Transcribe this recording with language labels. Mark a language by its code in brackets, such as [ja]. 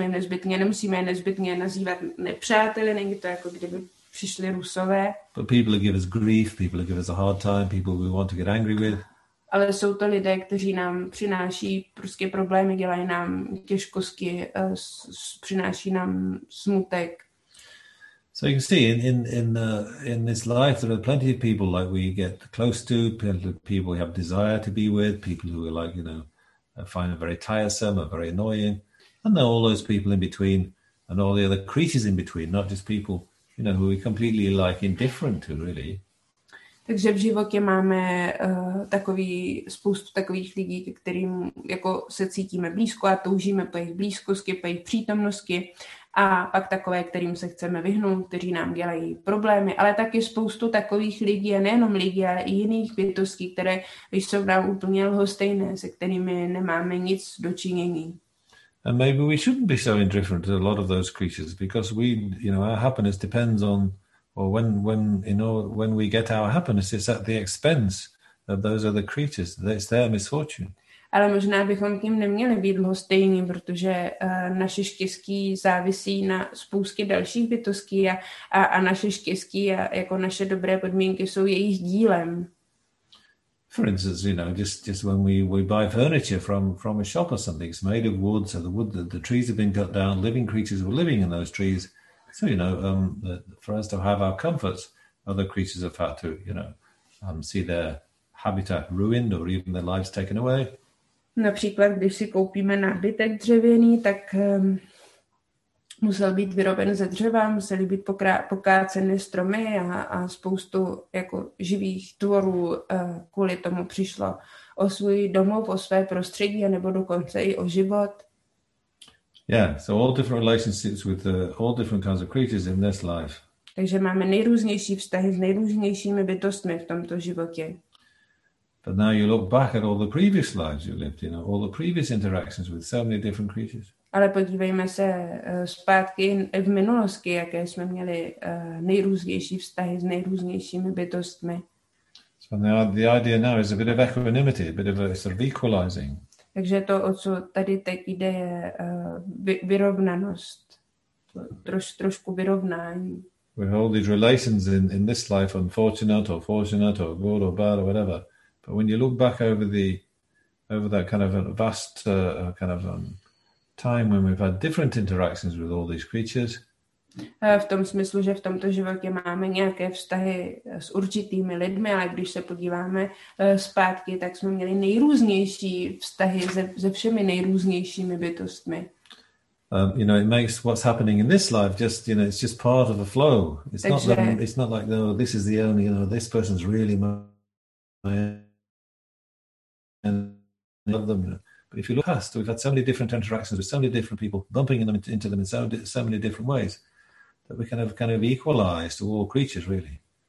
[cs] Neříkáme jim, nemusíme je nezbytně nazývat nepřáteli, není to jako kdyby přišli Rusové. [en] But people give us grief, people give us a hard time, people we want to get angry with. [cs] Ale jsou to lidé, kteří nám přináší prostě problémy, dělají nám těžkosti, přináší nám smutek. [en] So you can see in this life there are plenty of people like we get close to, people we have desire to be with, people who are like, you know, find it very tiresome or very annoying, and then all those people in between and all the other creatures in between, not just people, you know, who we completely like indifferent to really. [cs] Takže v životě máme takový spoustu takových lidí, kterým jako se cítíme blízko a toužíme po jejich blízkosti, po jejich přítomnosti, a pak takové, kterým se chceme vyhnout, kteří nám dělají problémy, ale taky spoustu takových lidí, a nejenom lidí, ale i jiných bytostí, které jsou nám úplně lhostejné, se kterými nemáme nic dočinění. [en] And maybe we shouldn't be so indifferent to a lot of those creatures, because we, you know, our happiness depends on, or when we get our happiness, it's at the expense of those other creatures. It's their misfortune. [cs] Ale možná bychom k ním neměli být lhostejní, protože naše štěstí závisí na spoustě dalších bytostí a naše štěstí a jako naše dobré podmínky jsou jejich dílem. [en] For instance, you know, just when we buy furniture from a shop or something, it's made of wood, so the wood, the trees have been cut down, living creatures were living in those trees. So, you know, for us to have our comforts, other creatures have had to, you know, see their habitat ruined or even their lives taken away. [cs] Například, když si koupíme nábytek dřevěný, tak musel být vyroben ze dřeva, museli být pokáceny stromy a spoustu jako živých tvorů kvůli tomu přišlo o svůj domov, o své prostředí, nebo dokonce i o život. [en] Yeah, so all different relationships with all different kinds of creatures in this life. [cs] Takže máme nejrůznější vztahy s nejrůznějšími bytostmi v tomto životě. [en] But now you look back at all the previous lives you lived, you know, all the previous interactions with so many different creatures. [cs] Ale podívejme se zpátky v minulosti, jaké jsme měli nejrůznější vztahy s nejrůznějšími bytostmi. [en] So the idea now is a bit of equanimity, a bit of a sort of equalizing. [cs] Takže to, o co tady teď jde, je vyrovnanost, trošku vyrovnání. [en] We have all these relations in this life, unfortunate or fortunate or good or bad or whatever. But when you look back over that kind of a vast time when we've had different interactions with all these creatures. [cs] V tom smyslu, že v tomto životě máme nějaké vztahy s určitými lidmi, ale když se podíváme zpátky, tak jsme měli nejrůznější vztahy se všemi nejrůznějšími bytostmi. [en] You know, it makes what's happening in this life just, you know, it's just part of a flow. It's not like this is the only, you know, this person's really my and love them. But if you look past, we've had so many different interactions with so many different people, bumping them into them in so many different ways, that we kind of equalize to all creatures, really.